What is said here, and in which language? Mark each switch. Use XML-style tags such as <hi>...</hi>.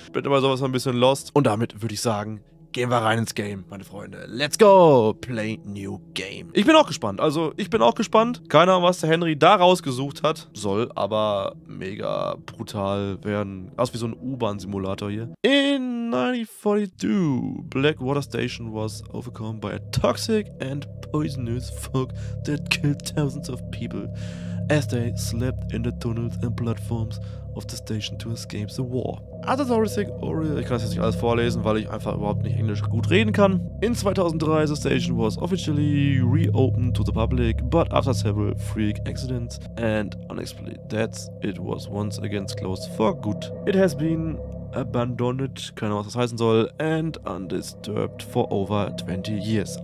<de>Bin aber sowas ein bisschen lost. Und damit würde ich sagen, gehen wir rein ins Game, meine Freunde.</de> <en>Let's go! Play new game.</en> <de>Ich bin auch gespannt. Also, ich bin auch gespannt. Keine Ahnung, was der Henry da rausgesucht hat. Soll aber mega brutal werden. Aus wie so ein U-Bahn-Simulator hier.</de> <en>In 1942, Blackwater Station was overcome by a toxic and poisonous fog that killed thousands of people as they slept in the tunnels and platforms of the station to escape the war.</en> <de>Ich kann das jetzt nicht alles vorlesen, weil ich einfach überhaupt nicht Englisch gut reden kann.</de> <en>In 2003, the station was officially reopened to the public, but after several freak accidents and unexplained deaths, it was once again closed for good. It has been abandoned,</en> <de>keine Ahnung, was das heißen soll,</de> <en>and undisturbed for over 20 years.</en>